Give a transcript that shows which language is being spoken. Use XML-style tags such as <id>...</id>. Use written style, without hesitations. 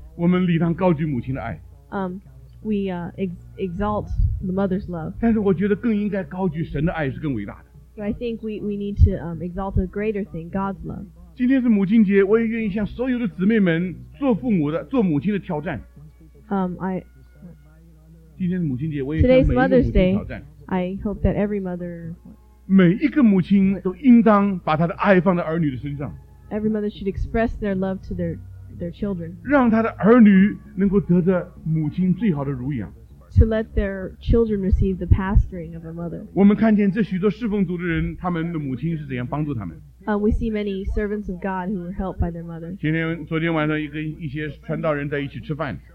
<zh>我们理当高举母亲的爱。</zh> <en>We exalt the mother's love.</en> <zh>但是我觉得更应该高举神的爱是更伟大的。</zh> <en>But I think we need to exalt a greater thing, God's love.</en> <zh>今天是母亲节，我也愿意向所有的姊妹们做父母的、做母亲的挑战。</zh> <en>I</en> <zh>今天母亲节，我也向每一个母亲挑战。</zh> <en>I hope that every mother.</en> <zh>每一个母亲都应当把她的爱放在儿女的身上。</zh> <en>Every mother should express their love to their children.</en> <zh>让她的儿女能够得着母亲最好的乳养。</zh> <en>To let their children receive the pastoring of a mother.</en> <zh>我们看见这许多侍奉主的人，他们的母亲是怎样帮助他们。</zh> <en>We see many servants of God who were helped by their mother.</en> <zh>昨天晚上跟一些传道人在一起吃饭。</zh>